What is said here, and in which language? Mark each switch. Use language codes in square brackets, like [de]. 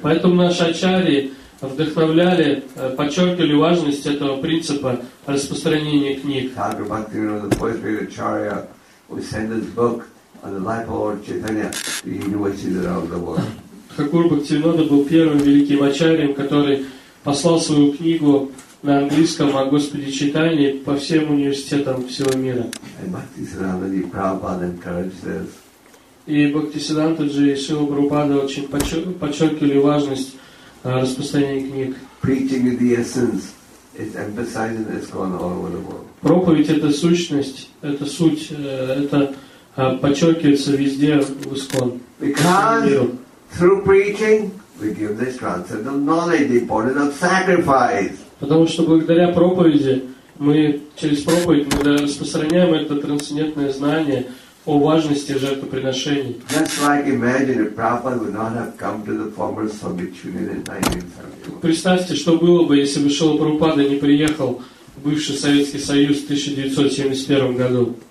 [ru] Поэтому наши ачарьи вдохновляли, подчеркивали важность этого принципа распространения книг. [en] Thakur Bhaktivinoda, the first great acharya, who sent his book on the life of Lord Chaitanya to universities around the world. [ru] Thakur Bhaktivinoda был первым великим ачарьем, который послал свою книгу на английском о Господе Чайтанье по всем университетам всего мира. [en] And Bhaktisiddhanta Ji Prabhupada encouraged this. [ru] И Бхактисиддханта Джи и Шрила Прабхупада очень подчеркивали важность распространения книг. [en] Preaching is the essence. It's emphasizing that it's gone all over the world. [ru] Проповедь — это сущность, это суть, это подчеркивается везде в ИСКОН. [en] Because through preaching we give this transcendental knowledge, the importance of sacrifice. [ru] Потому что благодаря проповеди мы через проповедь мы распространяем это трансцендентное знание о важности жертвоприношений. [en] Just like imagine if Prabhupada would not have come to the former Soviet Union in 1971. [ru] Представьте, что было бы, если бы Шрила Прабхупада не приехал в бывший Советский Союз в 1971 году.